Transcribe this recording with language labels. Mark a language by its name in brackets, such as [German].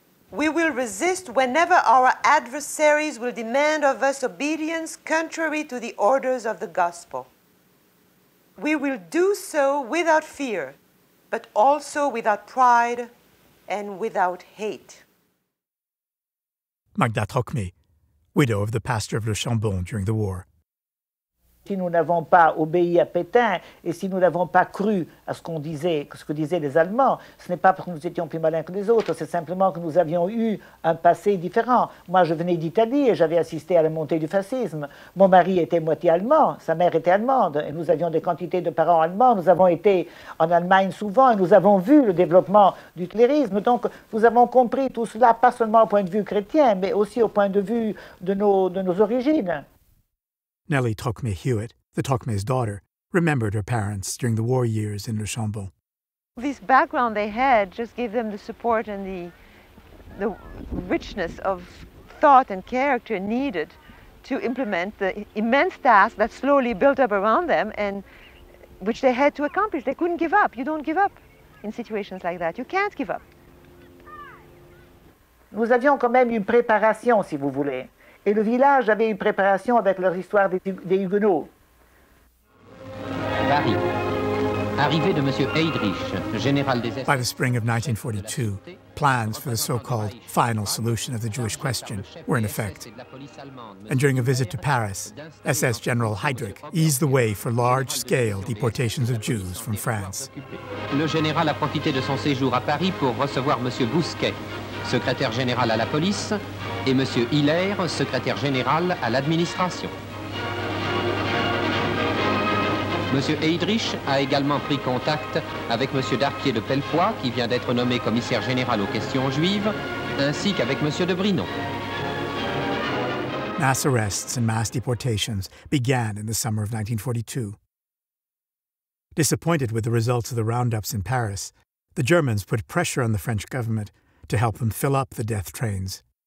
[English] We will resist whenever our adversaries will demand of us obedience contrary to the orders of the gospel. We will do so without fear, but also without pride and without hate. Magda Trocmé, widow of the pastor of Le Chambon during the war. [French] Si nous n'avons pas obéi à Pétain et si nous n'avons pas cru à ce qu'on disait, ce que disaient les Allemands, ce n'est pas parce que nous étions plus malins que les autres, c'est simplement que nous avions eu un passé différent. Moi, je venais d'Italie et j'avais assisté à la montée du fascisme. Mon mari était moitié allemand, sa mère était allemande et nous avions des quantités de parents allemands. Nous avons été en Allemagne souvent et nous avons vu le développement du hitlérisme. Donc, nous avons compris tout cela, pas seulement au point de vue chrétien, mais aussi au point de vue de nos origines. [English] Nellie Trocmé Hewitt, the Trocmé's daughter, remembered her parents during the war years in Le Chambon. This background they had just gave them the support and the richness of thought and character needed to implement the immense task that slowly built up around them and which they had to accomplish. They couldn't give up. You don't give up in situations like that. You can't give up. [French] Nous avions quand même une préparation, si vous voulez. Et le village avait une préparation avec leur histoire des Huguenots. Paris. Arrivée de Monsieur Heydrich, général des... [English] By the spring of 1942, plans for the so-called final solution of the Jewish question were in effect. And during a visit to Paris, SS General Heydrich eased the way for large-scale deportations of Jews from France. [French] Le général a profité de son séjour à Paris pour recevoir Monsieur Bousquet, secrétaire général à la police, et Monsieur Hilaire, secrétaire général à l'administration. Monsieur Heydrich a également pris contact avec Monsieur Darquier de Pellepoix, qui vient d'être nommé commissaire général aux questions juives, ainsi qu'avec Monsieur de Brinon. [English] Mass arrests and mass deportations began in the summer of 1942. Disappointed with the results of the roundups in Paris, the Germans put pressure on the French government to help them fill up the death trains.